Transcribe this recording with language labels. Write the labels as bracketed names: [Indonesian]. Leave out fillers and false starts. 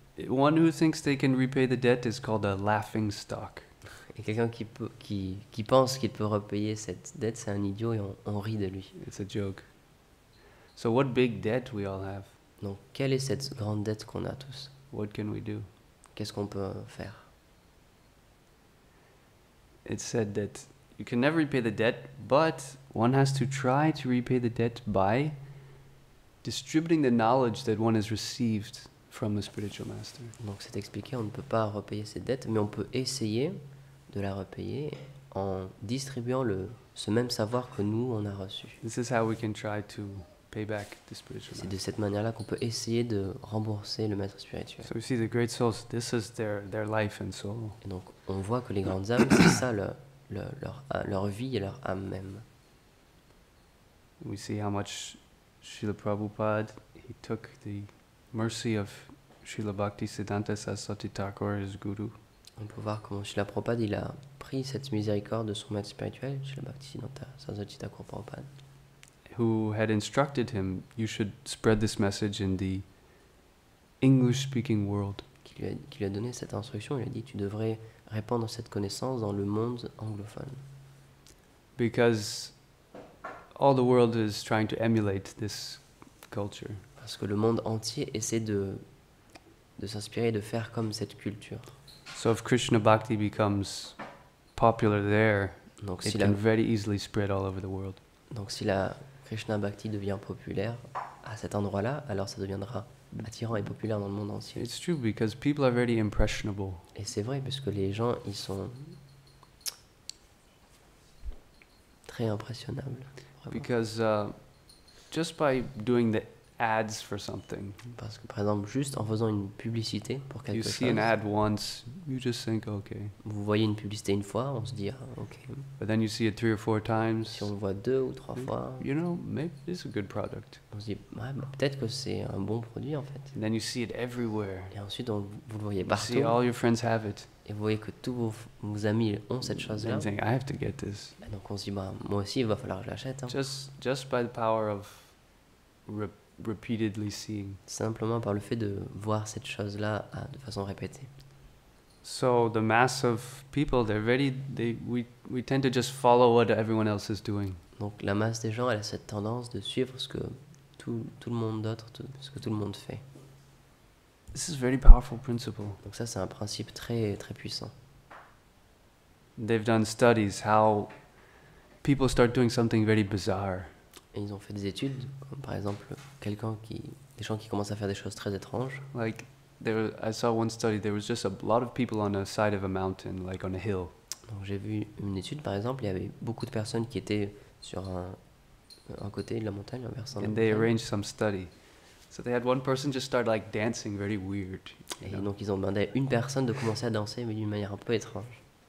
[English] One who thinks they can repay the debt is called a laughing stock. [French] Et quelqu'un qui pense qu'il peut repayer cette dette, c'est un idiot et on rit de lui. [English] It's a joke. So what big debt we all have? [French] Donc quelle est cette grande dette qu'on a tous? [English] What can we do? [French] Qu'est-ce qu'on peut faire? [English] It said that you can never repay the debt, but one has to try to repay the debt by distributing the knowledge that one has received from the spiritual master. [French] Donc c'est expliqué, on ne peut pas repayer cette dette, mais on peut essayer de la repayer en distribuant ce même savoir que nous on a reçu. [English] This is how we can try to pay back the spiritual master. [French] C'est de cette manière-là qu'on peut essayer de rembourser le maître spirituel. [English] So we see the great souls, this is their life and soul. [French] Et donc on voit que les grandes âmes, c'est ça leur vie et leur âme même. [English] We see how much Srila Prabhupada, he took the mercy of Srila Bhaktisiddhanta Saraswati Thakur, his guru. [French] On peut voir comment Srila Prabhupada, il a pris cette miséricorde de son maître spirituel, Srila Bhaktisiddhanta Saraswati Thakur Prabhupada. [English] Who had instructed him, you should spread this message in the English-speaking world. [French] Qui lui a donné cette instruction, il a dit, tu devrais répandre cette connaissance dans le monde anglophone. [English] Because all the world is trying to emulate this culture. [French] Parce que le monde entier essaie de s'inspirer, de faire comme cette culture. [English] So if Krishna Bhakti becomes popular there, donc, it can very easily spread all over the world. [French] Donc si la Krishna Bhakti devient populaire à cet endroit-là, alors ça deviendra attirant et populaire dans le monde entier. [English] It's true because people are very impressionable. [French] Et c'est vrai parce que les gens ils sont très impressionnables. Vraiment. [English] Because just by doing the ads for something. [French] Parce que par exemple juste en faisant une publicité pour quelque chose. [English] You see an ad once, you just think okay. [French] Vous voyez une publicité une fois, on se dit okay. [English] But then you see it three or four times. [French] Si on le voit deux ou trois fois. [English] You know, maybe it's a good product. [French] On se dit peut-être que c'est un bon produit en fait. [English] And then you see it everywhere. [French] Et ensuite vous le voyez partout. [English] You see all your friends have it. [French] Et vous voyez que tous vos amis ont cette chose là. [English] And then you think, I have to get this. [French] Et donc on se dit moi aussi il va falloir que je l'achète. Hein. [English] Just by the power of repeatedly seeing. [French] Simplement par le fait de voir cette chose-là de façon répétée. [English] So the mass of people, we tend to just follow what everyone else is doing. [French] Donc la masse des gens, elle a cette tendance de suivre ce que tout le monde d'autre, ce que tout le monde fait. [English] This is a very powerful principle. [French] Donc ça, c'est un principe très très puissant. [English] They've done studies how people start doing something very bizarre. [French] Et ils ont fait des études, comme par exemple des gens qui commencent à faire des choses très étranges. [English] Like, I saw one study, there was just a lot of people on the side of a mountain, like on a hill. [French] Donc j'ai vu une étude, par exemple, il y avait beaucoup de personnes qui étaient sur un côté de la montagne, un versant. [English] And they arranged some study. So they had one person just start like dancing very weird. [French] Et donc ils ont demandé à une personne de commencer à danser, mais d'une manière un peu étrange.